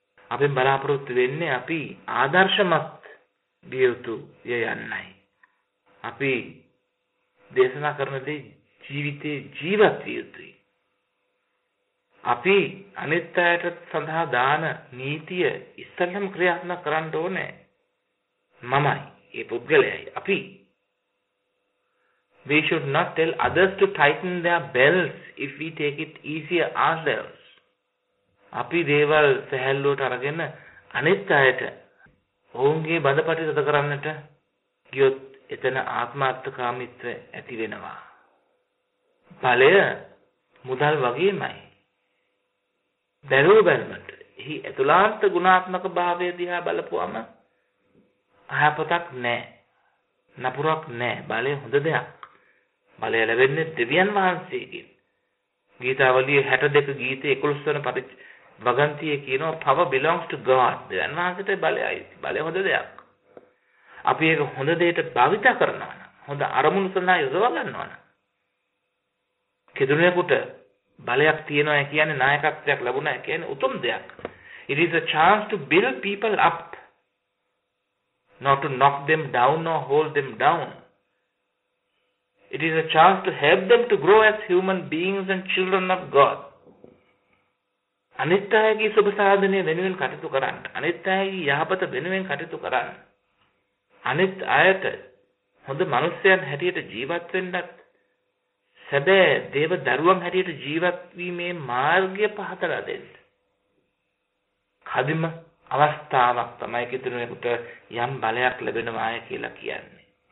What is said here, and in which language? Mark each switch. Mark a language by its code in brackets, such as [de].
[si] අපි බලාපොරොත්තු වෙන්නේ අපි ආදර්ශමත් විය යුතු යන්නයි. අපි දේශනා කරන දේ ජීවිතේ ජීවත් විය යුතුයි. අපි අනිත් අයට සඳහා දාන නීතිය ඉස්සල්ලාම ක්‍රියාත්මක කරන්න ඕනේ. මමයි ඒ පුද්ගලයයි අපි. [en] We should not tell others to tighten their belts if we take it easier ourselves. [si] අපි දේවල් සැහැල්ලුවට අරගෙන අනිත් අයට ඔවුන්ගේ බඳපටි සද කරන්නට ගියොත් එතන ආත්මార్థකාමීත්වය ඇති වෙනවා. බලය මුදල් වගේමයි. දැරූ බැලමට එහි ඇතුළාන්ත ගුණාත්මක භාවය දිහා බලපුවම අහපතක් නෑ, නපුරක් නෑ. බලය හොඳ දෙයක්. බලය ලැබෙන්නේ දෙවියන් වහන්සේගෙන්. ගීතාවලිය 62 ගීතේ 11 වන වගන්තියේ කියනවා [en] power belongs to God. [si] දෙවියන් වහන්සේට බලයයි. බලය හොඳ දෙයක්. අපි ඒක හොඳ දෙයට භාවිත කරනවා නම්, හොඳ අරමුණු සඳහා යොදව ගන්නවා නම්, කෙදුණේකට බලයක් තියෙනවා කියන්නේ නායකත්වයක් ලැබුණා කියන්නේ උතුම් දෙයක්. [en] It is a chance to build people up, not to knock them down or hold them down. It is a chance to help them to grow as human beings and children of God. [si] අනිත් අයගේ සුබ සාධනය වෙනුවෙන් කටයුතු කරන්න, අනිත් අයගේ යහපත වෙනුවෙන් කටයුතු කරන්න, අනිත් අයට හොඳ මනුස්සයන් හැටියට ජීවත් වෙන්නත්, සැබෑ දේව දරුවන් හැටියට ජීවත් වීමේ මාර්ගය පහදලා දෙන්න කදිම අවස්ථාවක් තමයි කිතුනෙකුට යම් බලයක් ලැබෙනවාය කියලා කියන්නේ.